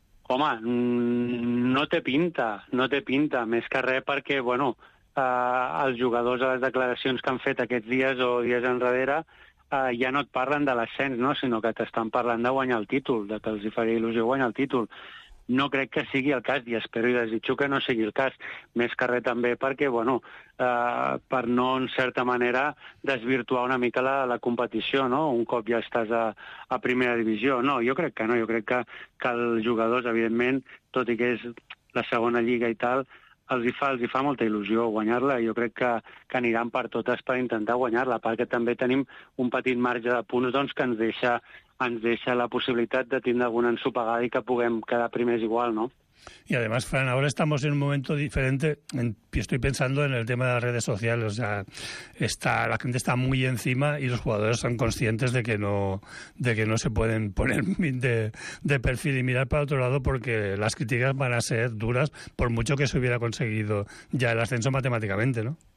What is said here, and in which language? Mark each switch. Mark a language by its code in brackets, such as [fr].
[ca] Home, no té pinta. Més que res perquè, bueno, els jugadors a les declaracions que han fet aquests dies o dies enrere ja no et parlen de l'ascens, no? Sinó que t'estan parlant de guanyar el títol, de que els hi faria il·lusió guanyar el títol. No crec que sigui el cas, i espero i desitjo que no sigui el cas. Més que res també perquè, bueno, per no, en certa manera, desvirtuar una mica la competició, no? Un cop ja estàs a primera divisió. No, jo crec que no. Jo crec que els jugadors, evidentment, tot i que és la segona lliga i tal, els hi fa molta il·lusió guanyar-la. Jo crec que aniran per totes per intentar guanyar-la, perquè també tenim un petit marge de punts, doncs, que ens deixa la possibilitat de tindre alguna ensopegada i que puguem quedar primers igual, no? [es] Y además, Fran, ahora estamos en un momento diferente, estoy pensando en el tema de las redes sociales, o sea, la gente está muy encima y los jugadores son conscientes de que no se pueden poner de perfil y mirar para otro lado porque las críticas van a ser duras por mucho que se hubiera conseguido ya el ascenso matemáticamente, ¿no?